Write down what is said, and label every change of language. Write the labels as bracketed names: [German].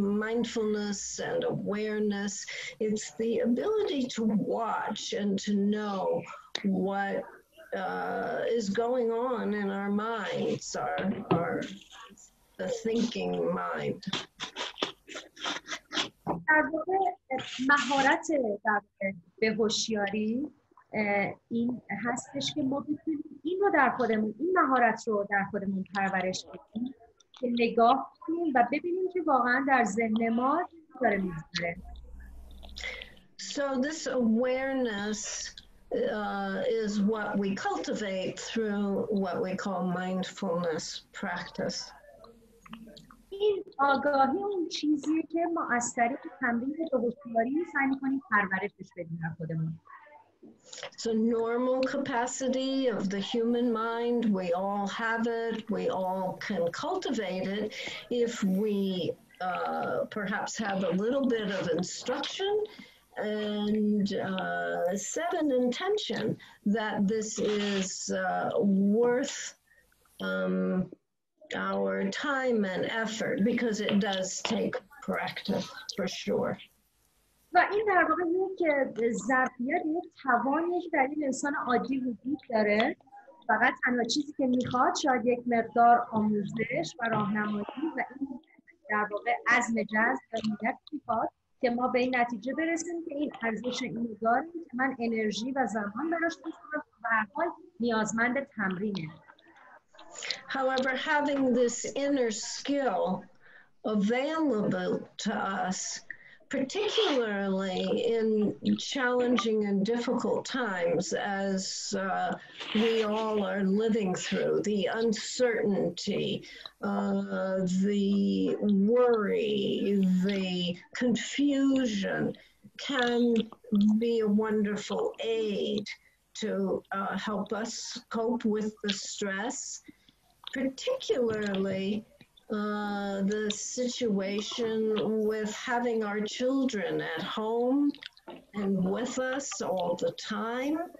[English] Mindfulness and awareness. It's the ability to watch and to know what is going on in our minds, our the thinking mind. [Persian] این هستش که ما بتونیم این رو در خودمون، این مهارت رو در خودمون پرورش بدیم که نگاه کنیم و ببینیم که واقعا در ذهن ما چی داره میگذره. [English] So this awareness is what we cultivate through what we call mindfulness practice. [Persian] این آگاهی اون چیزیه که ما از طریق تمرین هوشیاری سعی می‌کنیم پرورشش بدیم در خودمون. [English] It's a normal capacity of the human mind. We all have it. We all can cultivate it if we perhaps have a little bit of instruction and set an intention that this is worth our time and effort, because it does take practice for sure. [Persian] و این در واقع یک ظرفیت، یک توانی که در این انسان عادی وجود داره، فقط تنها چیزی که میخواد شاید یک مقدار آموزش و راهنمایی و این در واقع عزم جذب و نیت میخواد که ما به این نتیجه برسیم که این ارزش اینو داره که من انرژی و زمان براش بذارم و به هر حال نیازمند تمرینه. [English] However, having this inner skill available to us, particularly in challenging and difficult times, as we all are living through, the uncertainty, the worry, the confusion can be a wonderful aid to help us cope with the stress, particularly the situation with having our children at home and with us all the time.